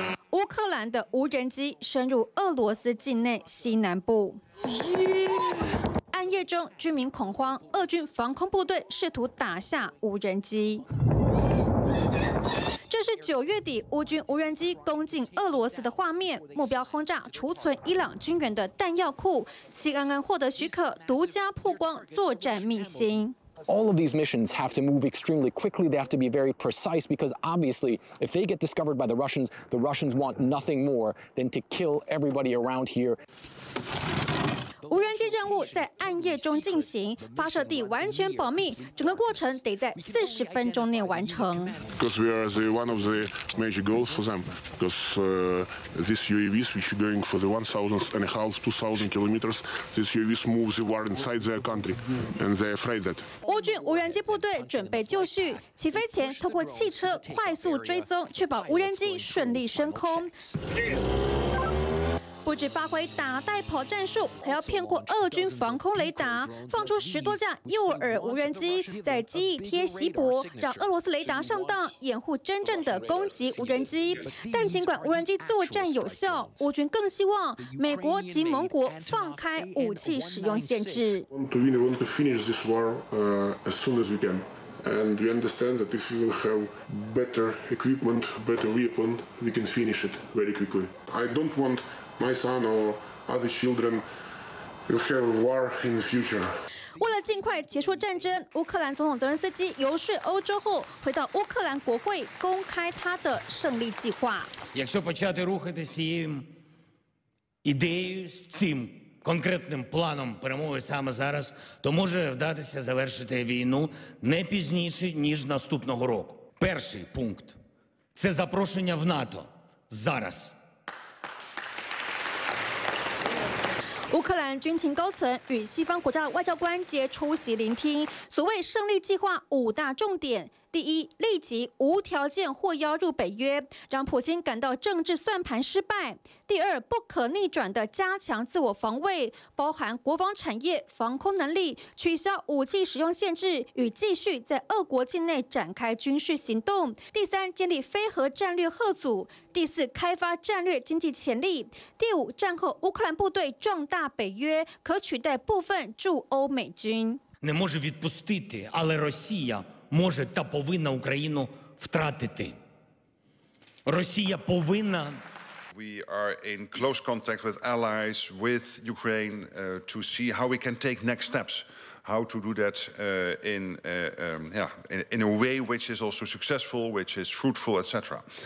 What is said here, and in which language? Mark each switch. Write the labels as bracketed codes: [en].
[zh] 乌克兰的无人机深入俄罗斯境内西南部，暗夜中居民恐慌，俄军防空部队试图打下无人机。这是九月底乌军无人机攻进俄罗斯的画面，目标轰炸储存伊朗军援的弹药库。 CNN 获得许可，独家曝光作战秘辛。 [en] All of these missions have to move extremely quickly. They have to be very precise because obviously, if they get discovered by the Russians want nothing more than to kill everybody around here. [zh] 无人机任务在暗夜中进行，发射地完全保密，整个过程得在40分钟内完成。 [en] Because we are the one of the major goals for them. Because these UAVs, which are going for the 1,000 and a half, 2,000 kilometers, these UAVs move the war inside their country, and they're afraid that. [zh] 乌军无人机部队准备就绪，起飞前透过汽车快速追踪，确保无人机顺利升空。不止发挥打带跑战术，还要骗过俄军防空雷达，放出十多架诱饵无人机，在机翼贴席薄，让俄罗斯雷达上当，掩护真正的攻击无人机。但尽管无人机作战有效，乌军更希望美国及盟国放开武器使用限制。 [en] And we understand that if we have better equipment, better weapon, we can finish it very quickly. I don't want my son or other children to have war in the future. [zh] 为了尽快结束战争，乌克兰总统泽连斯基游说欧洲后，回到乌克兰国会公开他的胜利计划。 [uk] Якщо почати рухатися ідеєю з цим конкретним планом перемоги саме зараз, то може вдатися завершити війну не пізніше, ніж наступного року. Перший пункт – це запрошення в НАТО зараз. [zh] 乌克兰军情高层与西方国家的外交官皆出席聆听。所谓胜利计划五大重点：第一，立即无条件获邀入北约，让普京感到政治算盘失败；第二，不可逆转的加强自我防卫，包含国防产业、防空能力，取消武器使用限制与继续在俄国境内展开军事行动；第三，建立非核战略核组；第四，开发战略经济潜力；第五，战后乌克兰部队壮大北约，可取代部分驻欧美军。 [uk] Не може відпустити, але Росія може та повинна Україну втратити. Росія повинна. [en] We are in close contact with allies, with Ukraine, to see how we can take next steps, how to do that in a way which is also successful, which is fruitful, etc.